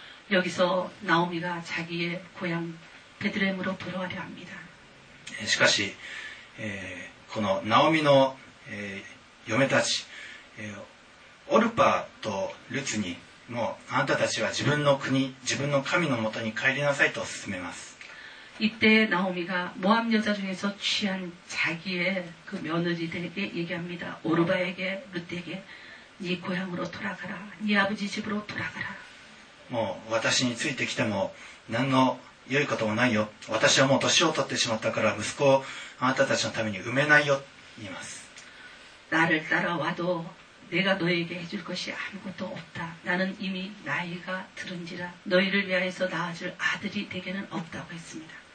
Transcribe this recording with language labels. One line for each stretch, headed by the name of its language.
Korean: 여기서나오미가자기의고향베들레헴으로돌아가려합니다
Japanese: しかしこのナオミの嫁たちオルパとルツにもうあなたたちは自分の国自分の神のもとに帰りなさいと勧めます
Korean: 이때나오미가모압여자중에서취한자기의그며느리들에게얘기합니다오르바에게루트에게네고향으로돌아가라네아버지집으로돌아가라
Japanese: もう私についてきても何の良いこともないよ私はもう年を取ってしまったから息子をあなたたちのために産めないよ言います
Korean: 나를따라와도내가너에게해줄것이아무것도없다나는이미나이가들은지라너희를위하여서낳아줄아들이내게는없다고했습니다